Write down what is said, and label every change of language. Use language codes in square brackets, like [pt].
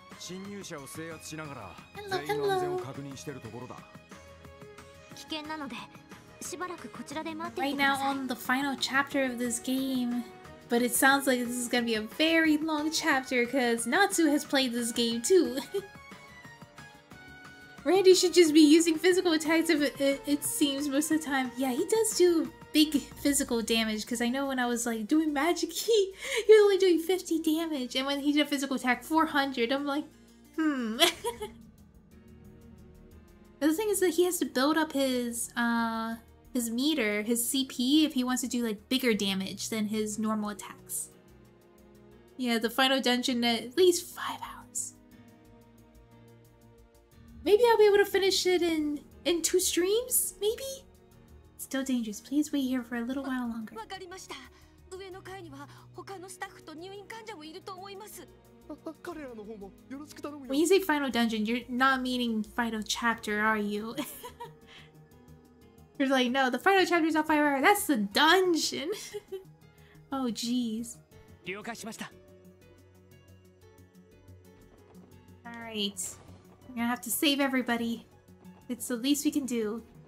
[ja] 侵入者を制圧しながら全員の安全を確認しているところだ。危険なのでしばらくこちらで待っていてください。 [en] Right now on the final chapter of this game, but it sounds like this is gonna be a very long chapter because Natsu has played this game too. Randy should just be using physical attacks if it seems most of the time. Yeah, he does do big physical damage because I know when I was like doing magic, he was only doing 50 damage, and when he did a physical attack, 400. I'm like, But the thing is that he has to build up his meter, his CP, if he wants to do like bigger damage than his normal attacks. Yeah, the final dungeon at least 5 hours. Maybe I'll be able to finish it in two streams, maybe? Still dangerous. Please wait here for a little while longer. [ja] わかりました。上の階には他のスタッフと入院患者もいると思います。彼らの方もよろしく頼むよ。 [en] When you say final dungeon, you're not meaning final chapter, are you? You're like, no, the final chapter is not 5 hours. That's the dungeon. Oh, jeez. [ja] 了解しました。 [en] All right. We're gonna have to save everybody. It's the least we can do.